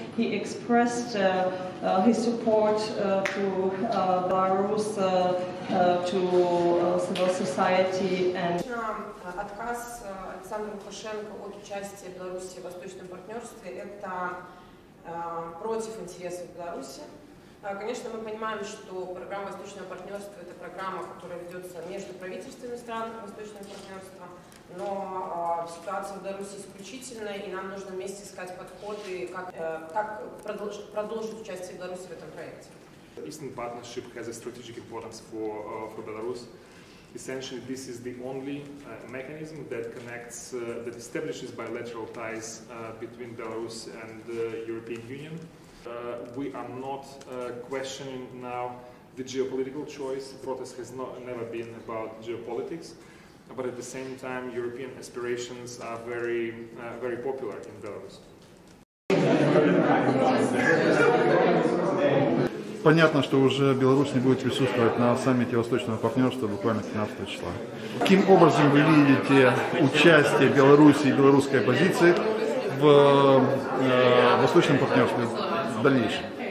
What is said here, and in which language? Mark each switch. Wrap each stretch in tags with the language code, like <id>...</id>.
<en>He expressed his support to Belarus, to civil society, and</en> <ru>отказ Александра Лукашенко от участия Беларуси в Восточном партнерстве – это против интересов Беларуси. Конечно, мы понимаем, что программа Восточного партнерства – это программа, которая ведется между правительствами стран Восточного партнерства, но ситуация в Беларуси исключительная, и нам нужно вместе искать подходы, как продолжить участие Беларуси в этом проекте.</ru> <en>Eastern Partnership has a strategic importance for Belarus. Essentially, this is the only mechanism that connects, that establishes bilateral ties between Belarus and the European Union. We are not questioning now the geopolitical choice. The protest has never been about geopolitics, but at the same time, European aspirations are very, very popular in Belarus.</en> <ru>Понятно, что уже Беларусь не будет присутствовать на саммите Восточного партнерства буквально 15 числа. Каким образом вы видите участие Беларуси и белорусской оппозиции в Восточном партнерстве? Дальнейшем.</ru>